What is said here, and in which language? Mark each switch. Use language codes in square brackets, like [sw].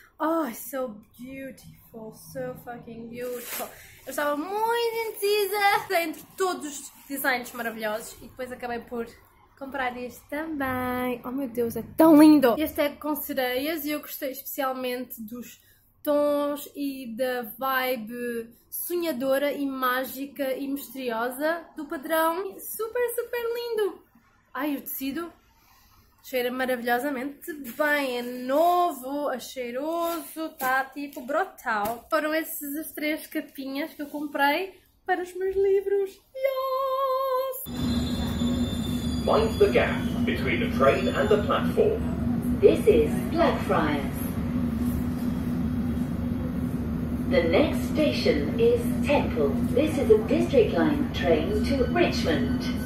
[en] Oh, it's so beautiful, so fucking beautiful. [pt] Eu estava muito indecisa entre todos os designs maravilhosos e depois acabei por comprar este também. Oh meu Deus, é tão lindo! Este é com sereias e eu gostei especialmente dos tons e da vibe sonhadora e mágica e misteriosa do padrão. Super, super lindo! Ai, o tecido cheira maravilhosamente bem, é novo, é cheiroso, tá tipo brutal. Foram essas as três capinhas que eu comprei para os meus livros. [en] Yes! Mind the gap between the train and the platform. This is Blackfriars. The next station is Temple. This is a District Line train to Richmond.